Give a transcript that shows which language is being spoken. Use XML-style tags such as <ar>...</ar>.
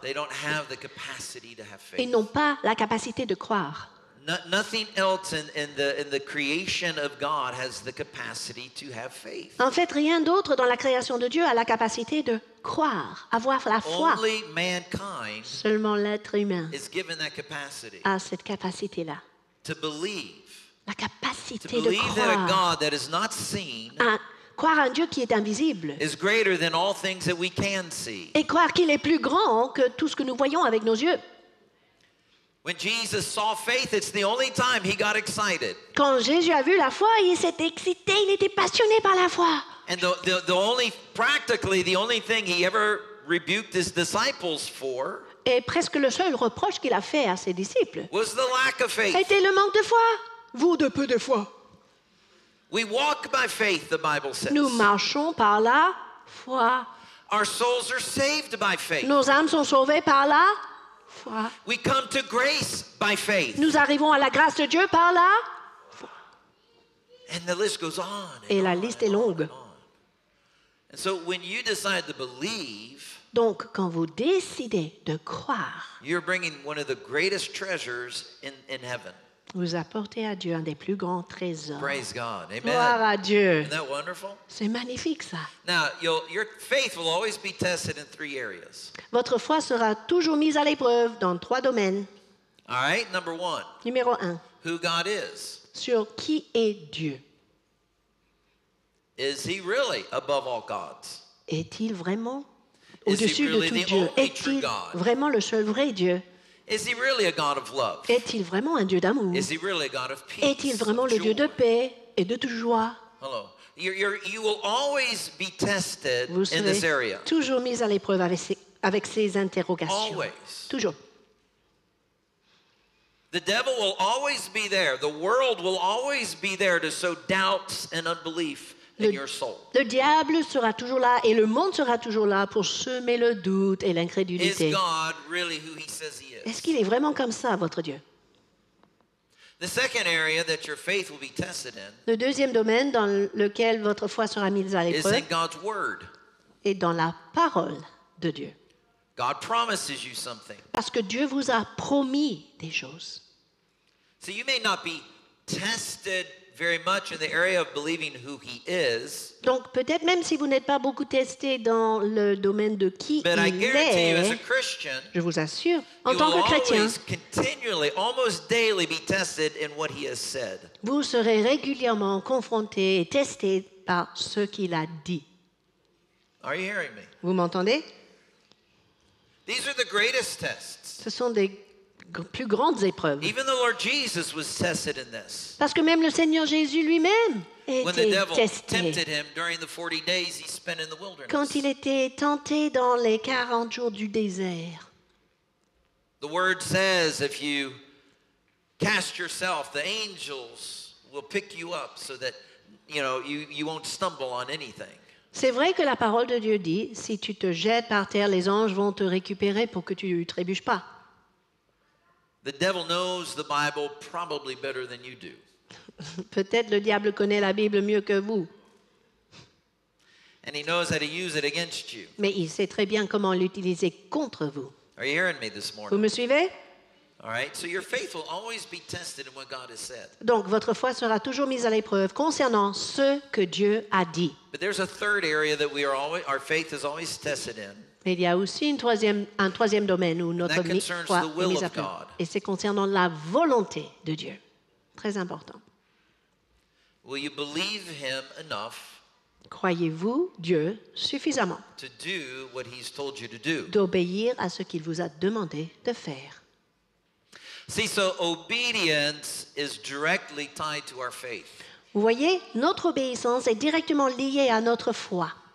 <en>They don't have the capacity to have faith.</en> <fr>Ils n'ont pas la capacité de croire.</fr> <en>Nothing else in the creation of God has the capacity to have faith.</en> <fr>En fait, rien d'autre dans la création de Dieu a la capacité de croire, avoir la foi.</fr> <en>Only mankind.</en> <fr>Seulement l'être humain.</fr> <en>Is given that capacity.</en> <fr>A cette capacité-là.</fr> <en>To believe.</en> <fr>La capacité</fr> <en>to believe</en> <fr>de croire.</fr> <en>That a God that is not seen.</en> <fr>Croire en Dieu qui est invisible.</fr> <en>Is greater than all things that we can see.</en> <fr>Et croire qu'il est plus grand que tout ce que nous voyons avec nos yeux.</fr> <en>When Jesus saw faith, it's the only time he got excited.</en> <fr>Quand Jésus a vu la foi, il s'est excité, il était passionné par la foi.</fr> <en>And the only, practically the only thing he ever rebuked his disciples for.</en> <fr>Et presque le seul reproche qu'il a fait à ses disciples.</fr> <en>Was the lack of faith.</en> <fr>Était le manque de foi. Vous de peu de foi.</fr> <en>We walk by faith, the Bible says.</en> <fr>Nous marchons par la foi.</fr> <en>Our souls are saved by faith.</en> <fr>Nos âmes sont sauvées par la foi.</fr> <en>We come to grace by faith.</en> <fr>Nous arrivons à la grâce de Dieu par la foi.</fr> <en>And the list goes on.</en> <fr>Et la liste est longue.</fr> <en>And so when you decide to believe,</en> <fr>donc quand vous décidez de croire,</fr> <en>you're bringing one of the greatest treasures in heaven.</en> <fr>Vous apportez à Dieu un des plus grands trésors.</fr> <en>Praise God. Amen.</en> <fr>Gloire à Dieu.</fr> <en>Isn't that wonderful?</en> <fr>C'est magnifique ça.</fr> <en>Now, your faith will always be tested in three areas.</en> <fr>Votre foi sera toujours mise à l'épreuve dans trois domaines.</fr> <en>All right, number one.</en> <fr>Numéro un.</fr> <en>Who God is.</en> <fr>Sur qui est Dieu.</fr> <en>Is he really above all gods?</en> <fr>Est-il vraiment au-dessus</fr> <en>really</en> <fr>de tout Dieu? Est-il vraiment le seul vrai Dieu?</fr> <en>Is he really a God of love?</en> <fr>Est-il vraiment un Dieu d'amour?</fr> <en>Is he really a God of peace?</en> <fr>Est-il vraiment le Dieu de paix et de joie?</fr> <en>Hello. You will always be tested in this area.</en> <fr>Vous serez toujours mis à l'épreuve avec ces interrogations.</fr> <en>Always.</en> <fr>Toujours.</fr> <en>The devil will always be there. The world will always be there to sow doubts and unbelief in your soul.</en> <fr>Le diable sera toujours là et le monde sera toujours là pour semer le doute et l'incrédulité.</fr> <en>Is God really who he says he is?</en> <fr>Est-ce qu'il est vraiment comme ça, votre Dieu?</fr> <en>The second area that your faith will be tested in.</en> <fr>Le deuxième domaine dans lequel votre foi sera mise à l'épreuve.</fr> <en>Is in God's word.</en> <fr>Est dans la parole de Dieu.</fr> <en>God promises you something.</en> <fr>Parce que Dieu vous a promis des choses.</fr> <en>So you may not be tested very much in the area of believing who he is.</en> <fr>Donc peut-être même si vous n'êtes pas beaucoup testé dans le domaine de qui</fr> <en>but</en> <fr>il est,</fr> <en>you, as a Christian,</en> <fr>je vous assure, en tant que chrétien,</fr> <en>continually, almost daily be tested in what he has said.</en> <fr>Vous serez régulièrement confronté et testé par ce qu'il a dit.</fr> <en>Are you hearing me?</en> <fr>Vous m'entendez?</fr> <en>These are the greatest tests.</en> <fr>Ce sont des plus grandes épreuves.</fr> <en>Even the Lord Jesus was tested in this.</en> <fr>Parce que même le Seigneur Jésus lui-même était testé.</fr> <en>When the devil</en> <fr>testé.</fr> <en>Tempted him during the 40 days he spent in the wilderness.</en> <fr>Quand il était tenté dans les 40 jours du désert.</fr> <en>The word says if you cast yourself, the angels will pick you up so that you know you won't stumble on anything.</en> <fr>C'est vrai que la parole de Dieu dit si tu te jettes par terre, les anges vont te récupérer pour que tu ne trébuches pas.</fr> <en>The devil knows the Bible probably better than you do.</en> <fr>Peut-être le diable connaît la Bible mieux que vous.</fr> <en>And he knows how to use it against you.</en> <fr>Mais il sait très bien comment l'utiliser contre vous.</fr> <en>Are you hearing me this morning?</en> <fr>Vous me suivez?</fr> <en>All right. So your faith will always be tested in what God has said.</en> <fr>Donc votre foi sera toujours mise à l'épreuve concernant ce que Dieu a dit.</fr> <en>But there's a third area that we are always, our faith is always tested in.</en> <fr>Mais il y a aussi un troisième domaine où notre foi est mise à l'épreuve. Et c'est concernant la volonté de Dieu. Très important.</fr> <en>Will you believe him enough?</en> <fr>Croyez-vous Dieu suffisamment?</fr> <en>To do what he's told you to do.</en> <fr>D'obéir à ce qu'il vous a demandé de faire.</fr> <en>See, so obedience is directly tied to our faith.</en> <fr>Vous voyez, notre obéissance est directement liée à notre foi.</fr>